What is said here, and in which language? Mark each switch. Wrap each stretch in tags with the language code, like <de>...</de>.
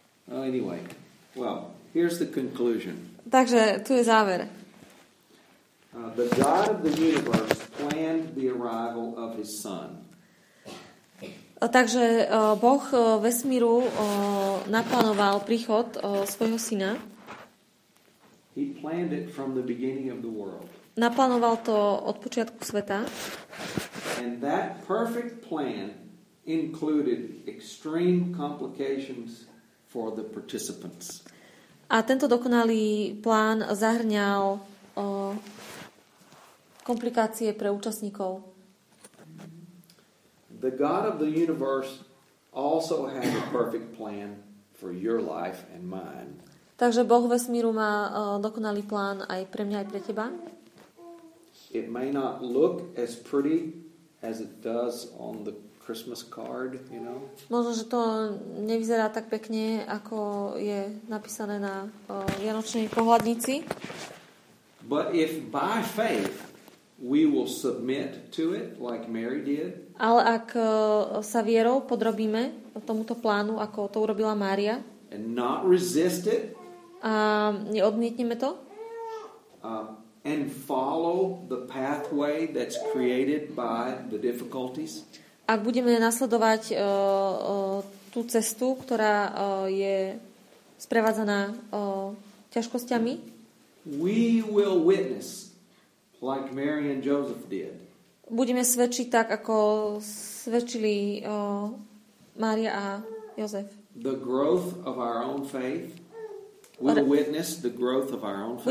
<en>Oh, anyway, well, here's the conclusion.</en> <sk>Takže tu je záver.</sk> <en>The God of the universe planned the arrival of his son.</en> <sk>Takže Boh vesmíru naplánoval príchod svojho syna.</sk> <en>He planned it from the beginning of the world.</en> <sk>Naplánoval to od počiatku sveta.</sk> <en>And that perfect plan included extreme complications for the participants.</en> <sk>A tento dokonalý plán zahrňal komplikácie pre účastníkov.</sk> <en>The God of the universe also has a perfect plan for your life and mine.</en> <sk>Takže Boh vesmíru má dokonalý plán aj pre mňa, aj pre teba.</sk> <en>It may not look as pretty as it does on the Christmas card, you know.</en> <sk>Možno, že to nevyzerá tak pekne, ako je napísané na vianočnej pohľadnici.</sk> <en>But if by faith we will submit to it like Mary did.</en> <sk>Ale ak sa vierou podrobíme tomuto plánu, ako to urobila Mária.</sk> <en>And not resist it.</en> <sk>A neodmietneme to.</sk> <en>And follow the pathway that's created by the difficulties.</en> <sk>Ak budeme nasledovať tú cestu, ktorá je sprevádzaná ťažkosťami.</sk> <en>We will witness like Mary and Joseph did.</en> <sk>Budeme svedčiť tak, ako svedčili Mária a Jozef.</sk> <en>The growth of our own faith. We'll witness the growth of our own faith.</en>